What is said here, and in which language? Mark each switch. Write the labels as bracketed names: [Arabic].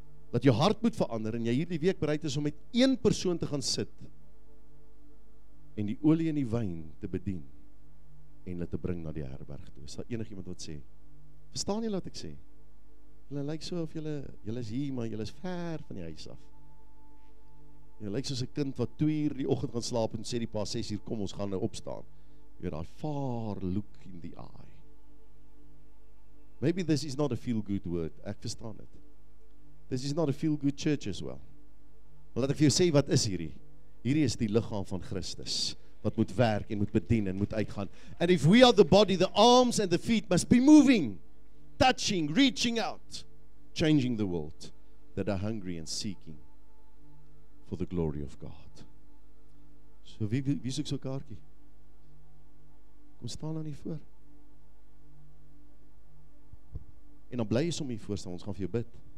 [Afrikaans] dat jou hart moet verander en jy hierdie week bereid is om met een persoon te gaan sit en die olie en die wijn te bedien en hulle te bring na die herberg toe. Is daar enig iemand wat sê? Verstaan jy wat ek sê? Julle lyk so of julle is hier, maar julle is ver van die huis af. Julle lyk soos 'n kind wat 2:00 die oggend gaan slaap en sê die pa 6:00 kom ons gaan nou opstaan. [English] You have a far look in the eye. Maybe this is not a feel good word. [Afrikaans] Ek verstaan dit. [English] This is not a feel good church as well. [Afrikaans] Maar laat ek vir jou sê wat is hierdie? Hierdie is die liggaam van Christus wat moet werk en moet bedien en moet uitgaan. [English] And if we are the body, the arms and the feet must be moving, touching, reaching out, changing the world that are hungry and seeking for the glory of God. [Afrikaans] So wie soek so 'n kaartjie? Kom staan aan hier voor. En dan bly jy som hier voor staan, ons gaan vir jou bid.